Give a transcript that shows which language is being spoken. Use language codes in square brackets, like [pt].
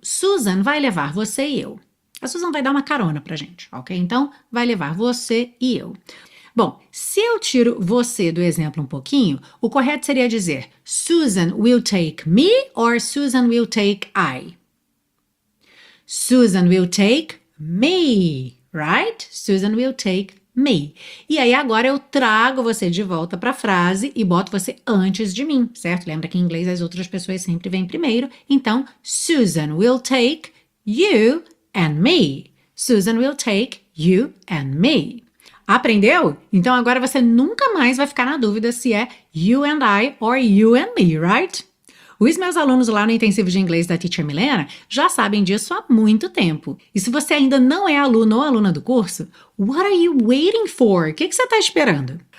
[pt] Susan vai levar você e eu. A Susan vai dar uma carona pra gente, ok? Então, vai levar você e eu. Bom, se eu tiro você do exemplo um pouquinho, o correto seria dizer [en] Susan will take me or Susan will take I. Susan will take me, right? Susan will take me. [pt] E aí agora eu trago você de volta para a frase e boto você antes de mim, certo? Lembra que em inglês as outras pessoas sempre vêm primeiro. Então, [en] Susan will take you and me. Susan will take you and me. [pt] Aprendeu? Então agora você nunca mais vai ficar na dúvida se é [en] you and I or you and me, right? [pt] Os meus alunos lá no intensivo de inglês da Teacher Milena já sabem disso há muito tempo. E se você ainda não é aluno ou aluna do curso, [en] what are you waiting for? [pt] O que que você está esperando?